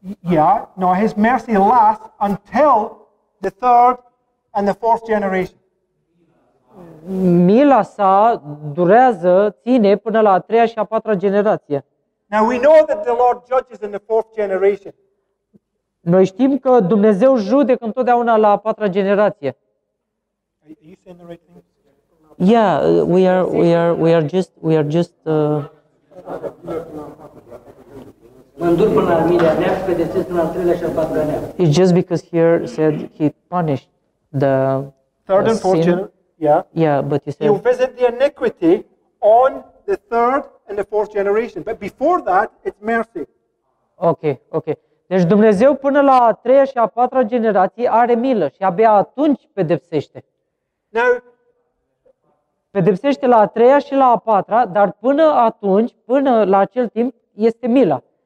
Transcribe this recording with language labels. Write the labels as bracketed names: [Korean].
[English] Yeah, no, his mercy lasts until the third and the fourth generation. [Romanian] Mila sa durează, ține până la a treia și a patra generație. [English] Now we know that the Lord judges in the fourth generation. [Romanian] Noi știm că Dumnezeu judecă întotdeauna la a patra generație. [English] Are you saying the right thing? Yeah, we are just [Romanian] mă îndur până la mila neam, pedepsesc în al treilea și al patrulea neam. [English] It's just because here said he punished the third and fourth generation. Yeah. Yeah, but you said he'll visit the iniquity on the third and the fourth generation, but before that it's mercy. Okay. [Romanian] Deci Dumnezeu până la a treia și a patra generație are milă și abia atunci pedepsește. [English] Now, [Romanian] pedepsește la a treia și la a patra, dar până atunci, până la acel timp, este mila.